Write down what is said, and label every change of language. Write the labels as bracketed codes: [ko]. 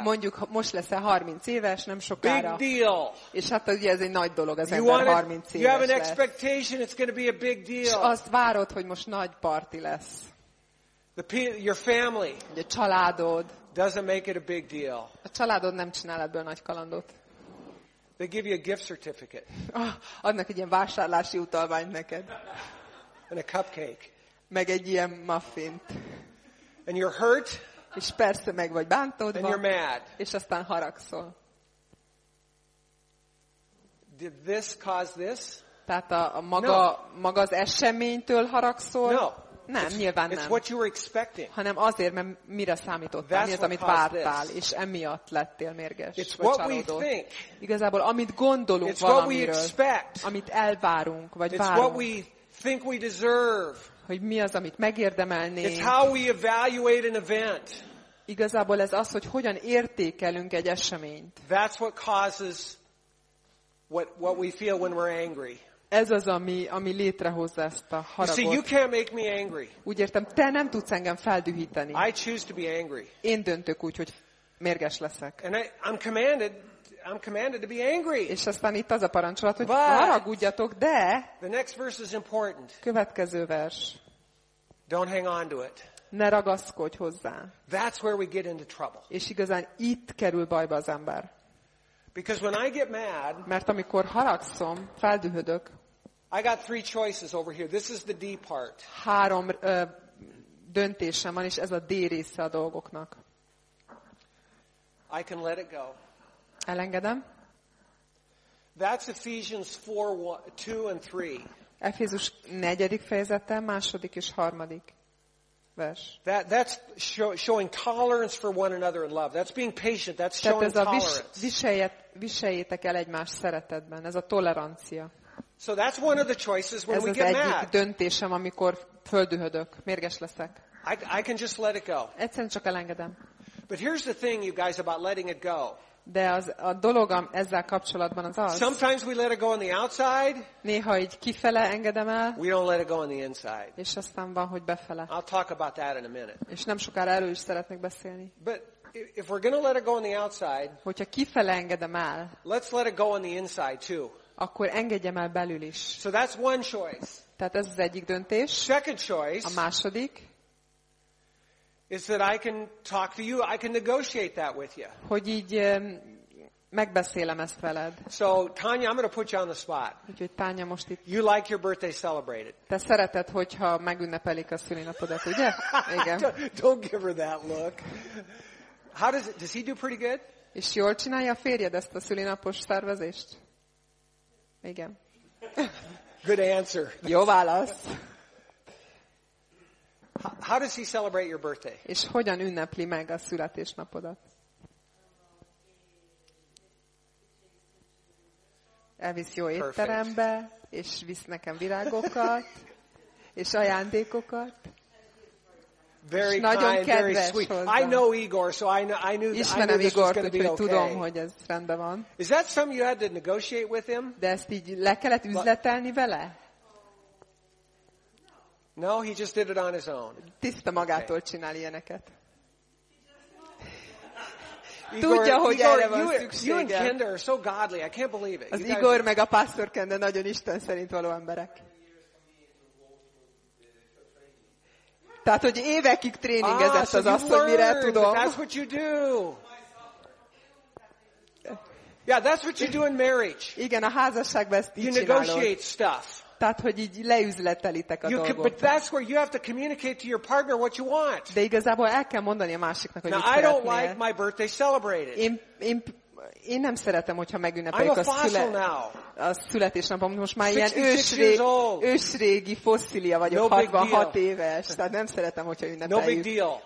[hu] Mondjuk most lesz a 30 éves, nem sokára. [en] Big deal. [hu] És hát ugye ez egy nagy dolog, az ember 30 éves. [en] You have an expectation it's going to be a big deal. [hu] És azt várod, hogy most nagy parti lesz. [en] Your family. [hu] A családod. [en] Doesn't make it a big deal. [hu] A családod nem csinál ebből nagy kalandot. [en] They give you a gift certificate. [hu] Adnak egy ilyen vásárlási utalványt neked. [en] And a cupcake. [hu] Meg egy ilyen muffint. [en] And you're hurt. [hu] És persze meg vagy bántódva. [en] And you're mad. [hu] És aztán haragszol. [en] Did this cause this? [hu] Tehát maga az eseménytől haragszol? [en] No. [hu] Nem, nyilván nem. [en] It's what you were expecting. [hu] Hanem azért, mert mire számítottál, mi az, amit vártál, és emiatt lettél mérges. [en] It's what we think. [hu] Igazából amit gondolunk valamiről, amit elvárunk, vagy várunk. [en] It's what we think we deserve. [hu] Hogy mi az, amit megérdemelnénk. [en] It's how we evaluate an event. [hu] Igazából ez az, hogy hogyan értékelünk egy eseményt. [en] That's what causes what we feel when we're angry. [hu] Ez az, ami létrehozza ezt a haragot. [en] See, you can't make me angry. [hu] Úgy értem, te nem tudsz engem feldühíteni. [en] I choose to be angry. [hu] Én döntök úgy, hogy mérges leszek. [en] And I'm commanded to be angry. [hu] És aztán itt az a parancsolat, hogy haragudjatok, de [en] the next verse is important. [hu] Következő vers. [en] Don't hang on to it. [hu] Ne ragaszkodj hozzá. [en] That's where we get into trouble. [hu] És igazán itt kerül bajba az ember. [en] Because when I get mad, [hu] mert amikor haragszom, feldühödök. [en] I got three choices over here. This is the D part. [hu] Három döntésem van, és ez a D része a dolgoknak. [en] I can let it go. [hu] Elengedem. [en] That's Ephesians 4:2-3. [hu] Efézus 4. fejezete, 2. és 3. vers. [en] That's showing tolerance for one another in love. That's being patient. That's showing tolerance. [hu] Tehát ez a viseljétek el egymás szeretetben. Ez a tolerancia. [en] So that's one of the choices when we get mad. [hu] Ez az egyik döntésem, amikor földühödök, mérges leszek. [en] I can just let it go. [hu] Egyszerűen csak elengedem. [en] But here's the thing, you guys, about letting it go. [hu] De az a dologam ezzel kapcsolatban az az. [en] Sometimes we let it go on the outside. [hu] Néha így kifele engedem el. [en] We don't let it go on the inside. [hu] És aztán van, hogy befele. [en] I'll talk about that in a minute. [hu] És nem sokára erről is szeretnék beszélni. [en] But if we're gonna let it go on the outside, [hu] hogyha kifele engedem el, [en] let's let it go on the inside too. [hu] Akkor engedjem el belül is. [en] So that's one choice. [hu] Tehát ez az egyik döntés. [en] Second choice. [hu] A második. [en] Is that I can talk to you, I can negotiate that with you. [hu] Hogy így megbeszélem ezt veled. [en] So, Tanya, I'm going to put you on the spot. [hu] Úgyhogy, Tanya, most itt... [en] You like your birthday celebrated. [hu] Te szereted, hogyha megünnepelik a szülinapodat, ugye? Igen. [en] Don't give her that look. How does he do pretty good? [hu] És jól csinálja a férjed ezt a szülinapos szervezést? Igen. [en] Good answer. [hu] Jó válasz. [en] How does he celebrate your birthday? [hu] És hogyan ünnepli meg a születésnapodat? Elvisz jó étterembe, és visz nekem virágokat, és ajándékokat. [en] Very [hu] és nagyon [en] kind, [hu] kedves [en] very sweet. [hu] Hozzá. [en] I know Igor, so I knew this was going to be okay. [hu] Ismerem Igort, tudom, hogy ez rendben van. [en] Is that something you had to negotiate with him? [hu] De ezt így le kellett üzletelni vele? [en] No, he just did it on his own. [hu] Tiszta magától csinál ilyeneket. Tudja, hogy erre van szüksége. [en] You and Kendra are so godly. I can't believe it. [hu] Az Igor meg a Pastor Kendra nagyon Isten szerint való emberek. Tehát, hogy évekig tréningezett az azt, hogy mire tudom. [en] That's what you do. Yeah, that's what you do in marriage. [hu] Igen, a házasságban ezt így csinálod. [en] You negotiate stuff. [hu] Tehát, hogy így leüzletelitek a dolgot. [en] But that's where you have to communicate to your partner what you want. [hu] De igazából el kell mondani a másiknak, hogy [en] now, [hu] mit szeretnél. [en] I don't like my birthday celebrated. [hu] Én nem szeretem, hogyha megünnepeljük a születésnapom. Most már ilyen ősrégi fosszília vagyok, no 66 éves. Tehát nem szeretem, hogyha ünnepeljük. [en] No big deal.